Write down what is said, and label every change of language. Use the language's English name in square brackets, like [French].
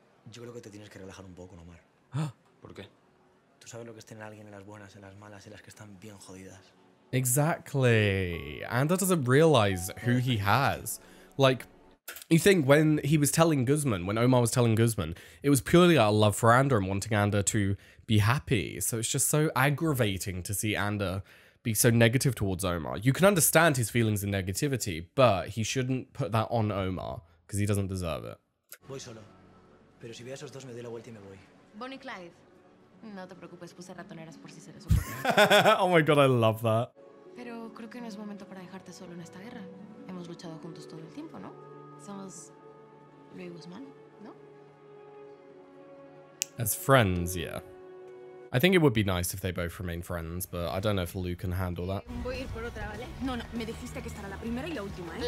[Spanish] Yo creo que te tienes que relajar un poco, Omar. ¿Por qué? Tú sabes lo que es tener alguien en las buenas, en las malas, en las que están bien jodidas. [English] Exactly. Ander doesn't realize who he has. Like, you think when Omar was telling Guzman, it was purely out of love for Ander and wanting Ander to be happy. So it's just so aggravating to see Ander be so negative towards Omar. You can understand his feelings and negativity, but he shouldn't put that on Omar because he doesn't deserve it. [Spanish] Voy solo. Pero si veo a esos dos, me doy la vuelta y me voy. [English] Bonnie Clyde. [Spanish] No te preocupes, puse ratoneras por si se les [English] ocurre. Oh my god, I love that. [Spanish] Pero creo que no es momento para dejarte solo en esta guerra. Hemos luchado juntos todo el tiempo, ¿no? Somos Luis Guzmán, ¿no? [English] As friends, yeah. I think it would be nice if they both remain friends, but I don't know if Lou can handle that. [Spanish] Voy a ir por otra, ¿vale? No, no, me dijiste que estará la primera y la última, ¿eh?